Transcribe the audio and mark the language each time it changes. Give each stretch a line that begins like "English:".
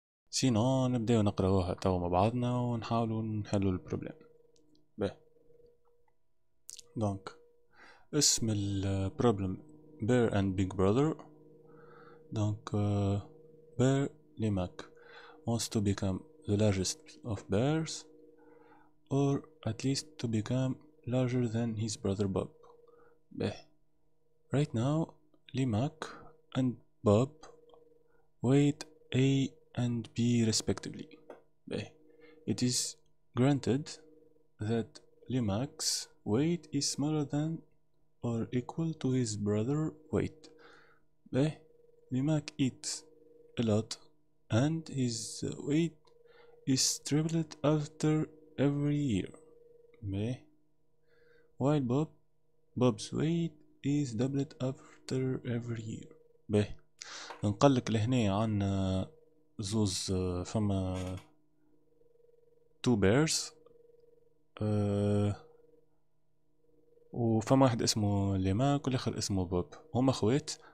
Arabic: سينو نبداو نقراوها توا مع بعضنا ونحاولوا نحلوا البروبليم. باه دونك اسم البروبليم بير اند بيج براذر.
English: Donc, bear, limac, wants to become the largest of bears, or at least to become larger than his brother Bob. Beh. Right now, limac and Bob weigh A and B respectively. Beh. It is granted that limac's weight is smaller than or equal to his brother weight. Beh. Limac eats a lot and his weight is tripled after every year. Beh. While Bob's weight is doubled after every year. Beh.
Arabic: نقلك لهنا عن زوز فما
English: two bears
Arabic: وفما واحد اسمه ليماك والاخر اسمه بوب هما خوات.